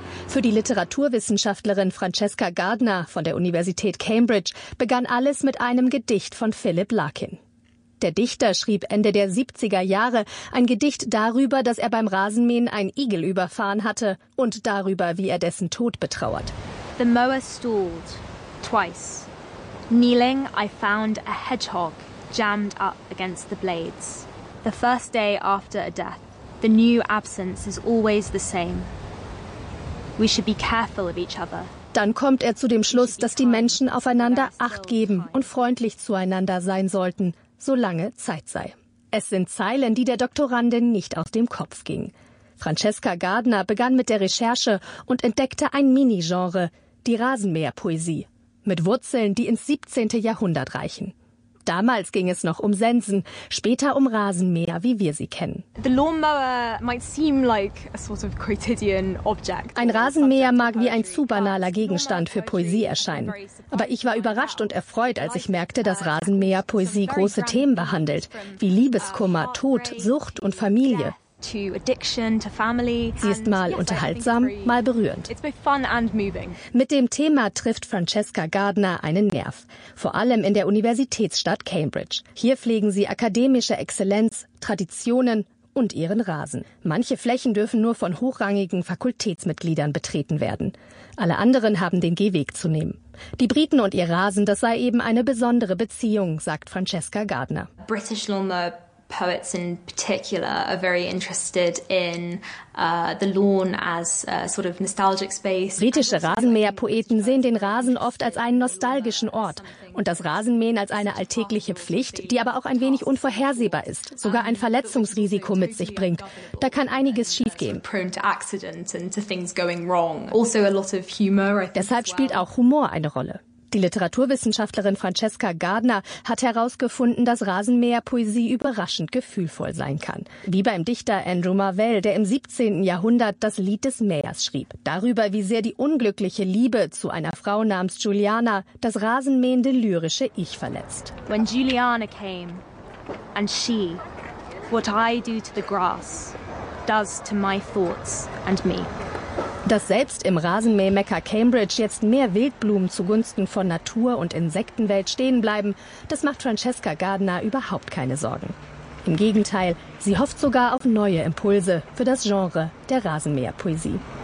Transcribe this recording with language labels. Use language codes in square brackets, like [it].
[de] Für die Literaturwissenschaftlerin Francesca Gardner von der Universität Cambridge begann alles mit einem Gedicht von Philip Larkin. Der Dichter schrieb Ende der 70er Jahre ein Gedicht darüber, dass er beim Rasenmähen einen Igel überfahren hatte und darüber, wie er dessen Tod betrauert. [en] The mower stalled twice. Kneeling, I found a hedgehog jammed up against the blades. The first day after a death, the new absence is always the same. We should be careful of each other. [de] Dann kommt er zu dem Schluss, dass die Menschen aufeinander Acht geben und freundlich zueinander sein sollten, solange Zeit sei. Es sind Zeilen, die der Doktorandin nicht aus dem Kopf gingen. Francesca Gardner begann mit der Recherche und entdeckte ein Mini-Genre, die Rasenmäherpoesie, mit Wurzeln, die ins 17. Jahrhundert reichen. Damals ging es noch um Sensen, später um Rasenmäher, wie wir sie kennen. [en] The lawnmower might seem like a sort of quotidian object. [de] Ein Rasenmäher mag wie ein zu banaler Gegenstand für Poesie erscheinen. Aber ich war überrascht und erfreut, als ich merkte, dass Rasenmäher-Poesie große Themen behandelt, wie Liebeskummer, Tod, Sucht und Familie. [en] To addiction, to family. [de] Sie ist mal unterhaltsam, mal berührend. [en] It's both fun and moving. [de] Mit dem Thema trifft Francesca Gardner einen Nerv. Vor allem in der Universitätsstadt Cambridge. Hier pflegen sie akademische Exzellenz, Traditionen und ihren Rasen. Manche Flächen dürfen nur von hochrangigen Fakultätsmitgliedern betreten werden. Alle anderen haben den Gehweg zu nehmen. Die Briten und ihr Rasen, das sei eben eine besondere Beziehung, sagt Francesca Gardner. [en] British lawnmower poets in particular are very interested in the lawn as a sort of nostalgic space. [de] Britische Rasenmäherpoeten sehen den Rasen oft als einen nostalgischen Ort und das Rasenmähen als eine alltägliche Pflicht, die aber auch ein wenig unvorhersehbar ist, sogar ein Verletzungsrisiko mit sich bringt. Da kann einiges schiefgehen. [en] Prone to accident and to things going wrong. Also a lot of humor. [de] Deshalb spielt auch Humor eine Rolle. Die Literaturwissenschaftlerin Francesca Gardner hat herausgefunden, dass Rasenmäherpoesie überraschend gefühlvoll sein kann. Wie beim Dichter Andrew Marvell, der im 17. Jahrhundert das Lied des Mähers schrieb. Darüber, wie sehr die unglückliche Liebe zu einer Frau namens Juliana das rasenmähende lyrische Ich verletzt. [en] When Juliana came, and she, what I do to the grass, does to my thoughts and me. [de] Dass selbst im Rasenmähmecker Cambridge jetzt mehr Wildblumen zugunsten von Natur- und Insektenwelt stehen bleiben, das macht Francesca Gardner überhaupt keine Sorgen. Im Gegenteil, sie hofft sogar auf neue Impulse für das Genre der Rasenmäherpoesie.